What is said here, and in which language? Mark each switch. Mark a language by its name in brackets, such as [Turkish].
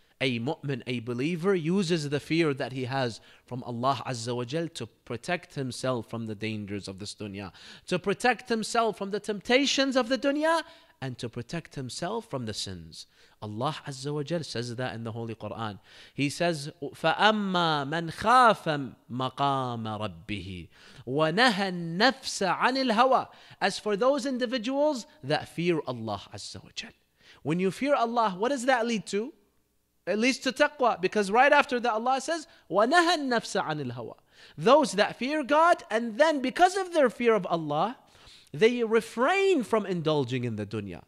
[English] A mu'min, a believer, uses the fear that he has from Allah Azza wa Jal to protect himself from the dangers of this dunya, to protect himself from the temptations of the dunya, and to protect himself from the sins. Allah Azza wa Jal says that in the Holy Quran. He says, [Arabic] فَأَمَّا مَنْ خَافَ مَقَامَ رَبِّهِ وَنَهَى النَّفْسَ عَنِ الْهَوَى. [English] As for those individuals that fear Allah Azza wa Jal. When you fear Allah, what does that lead to? It leads to taqwa, because right after that Allah says, [Arabic] وَنَهَى النَّفْسَ عَنِ الْهَوَى. [English] Those that fear God, and then because of their fear of Allah, they refrain from indulging in the dunya.